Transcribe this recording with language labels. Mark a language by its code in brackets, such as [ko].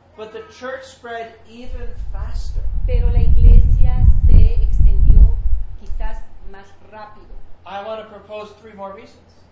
[en] But the church spread even faster. [es] Pero la iglesia se extendió quizás más rápido. [en] I want to propose three more reasons.